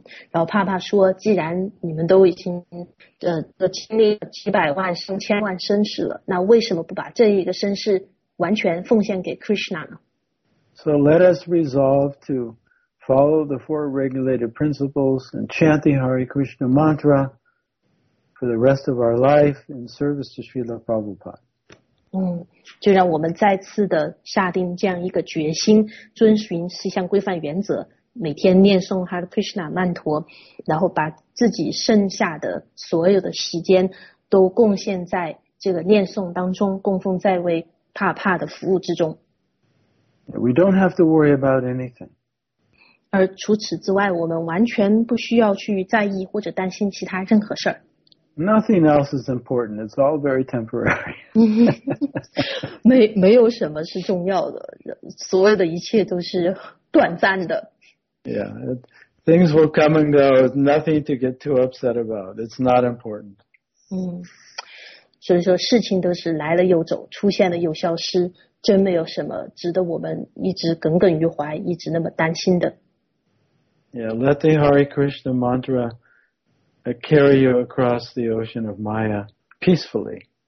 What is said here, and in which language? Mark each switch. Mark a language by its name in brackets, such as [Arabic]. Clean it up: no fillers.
[Chinese] 然后帕帕说，既然你们都已经经历了几百万上千万生世了，那为什么不把这一个生世完全奉献给 Krishna 呢？ [English] So let us resolve to follow the four regulated principles and chant the Hare Krishna mantra for the rest of our life in service to Srila Prabhupada. [Chinese] 就让我们再次的下定这样一个决心，遵循四项规范原则，每天念诵 Hare Krishna 曼陀，然后把自己剩下的所有的时间都贡献在这个念诵当中，供奉在为帕帕的服务之中。 [English] We don't have to worry about anything. [Chinese] 而除此之外，我们完全不需要去在意或者担心其他任何事儿。 [English] Nothing else is important. It's all very temporary. [Chinese] 没有什么是重要的，所有的一切都是短暂的。 [English] Yeah, things will come and go. Nothing to get too upset about. It's not important. [Chinese] 所以说事情都是来了又走，出现了又消失，真没有什么值得我们一直耿耿于怀，一直那么担心的。 [English] Yeah, let the Hare Krishna mantra carry you across the ocean of Maya peacefully.